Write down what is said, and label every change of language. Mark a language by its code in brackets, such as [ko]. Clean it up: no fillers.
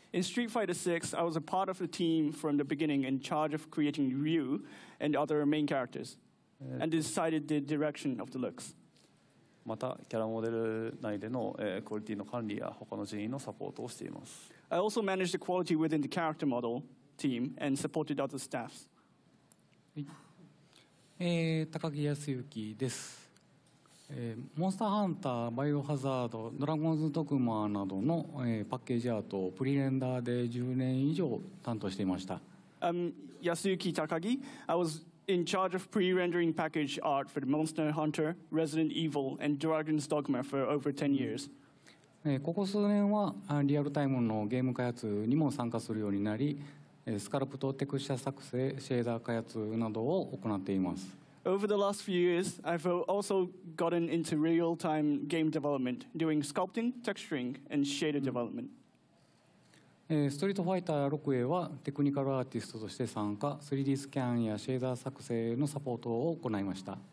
[en] In Street Fighter 6, I was a part of the team from the beginning in charge of creating Ryu and other main characters. And decided the direction of the looks. [ja] またキャラモデル内での、クオリティの管理や他の人員のサポートをしています。 [en] I also managed the quality within the character model team and supported other staffs. [ja] 高木Yasuyukiです。モンスターハンター、バイオハザード、ドラゴンズドグマなどの、パッケージアートをプリレンダーで10年以上担当していました。 [en] Yasuyuki Takagi, I wasIn charge of pre-rendering package art for the Monster Hunter, Resident Evil, and Dragon's Dogma for over 10 years. [ja] ここ数年はリアルタイムのゲーム開発にも参加するようになり、スカルプとテクスチャ作成、シェーダー開発などを行っています。 [en] Over the last few years, I've also gotten into real-time game development, doing sculpting, texturing, and shader development. [ja] ストリートファイター6へはテクニカルアーティストとして参加、3D スキャンやシェーダー作成のサポートを行いました。